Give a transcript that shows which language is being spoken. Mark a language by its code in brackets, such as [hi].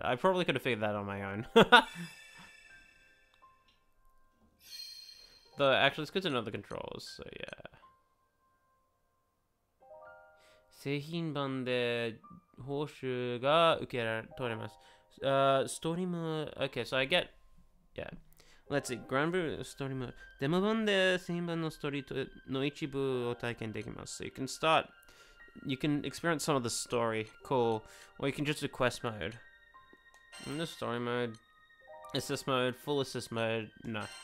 [en] I probably could have figured that on my own. Though, actually, it's good to know the controls, so yeah. [ja] 製品版で報酬が受け取れます. [en] Story mode. Okay, so I get. Yeah. Let's see. Granblue story mode. [ja] デモ版で製品版のストーリーの一部を体験できます. [en] So you can start. You can experience some of the story, cool. Or you can just do quest mode. In the story mode, assist mode, full assist mode, no.